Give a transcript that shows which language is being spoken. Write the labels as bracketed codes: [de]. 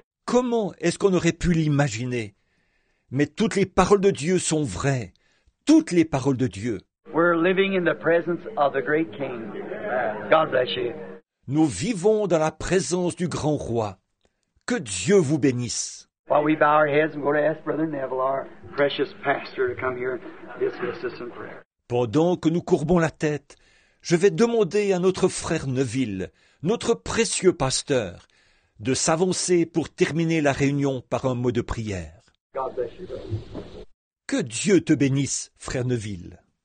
[fr] Comment est-ce qu'on aurait pu l'imaginer? Mais toutes les paroles de Dieu sont vraies. Toutes les paroles de Dieu. [en] We're living in the presence of the great King. God bless you. [fr] Nous vivons dans la présence du grand roi. Que Dieu vous bénisse. [en] While we bow our heads and go to ask Brother Neville, our precious pastor, to come here and dismiss us in prayer. [fr] Pendant que nous courbons la tête, je vais demander à notre frère Neville, notre précieux pasteur, de s'avancer pour terminer la réunion par un mot de prière. [en] God bless you, brother. [fr] Que Dieu te bénisse, frère Neville.